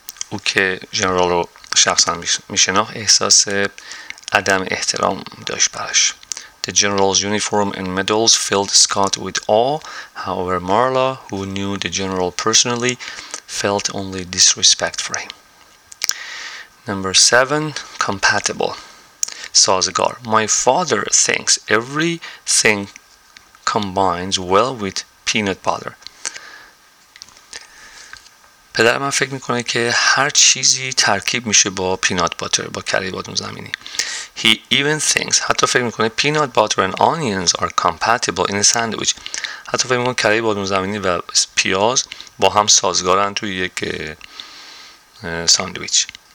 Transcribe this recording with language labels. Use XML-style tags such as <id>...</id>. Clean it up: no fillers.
<fa>او که جنرال رو شخصا میشناخت, احساس عدم احترام داشت براش.</fa> <en>The general's uniform and medals filled Scott with awe. However, Marla, who knew the general personally, felt only disrespect for him. Number seven, compatible. سازگار. My father thinks everything combines well with peanut butter.</en> <fa>پدر من فکر میکنه که هر چیزی ترکیب میشه با پینات باتر, با کره بادام زمینی.</fa> <en>He even thinks,</en> <fa>حتی فکر میکنه</fa> <en>peanut butter and onions are compatible in a sandwich.</en> <fa>حتی فکر میکنه کره بادام زمینی و پیاز با هم سازگارن توی یک ساندویچ.</fa>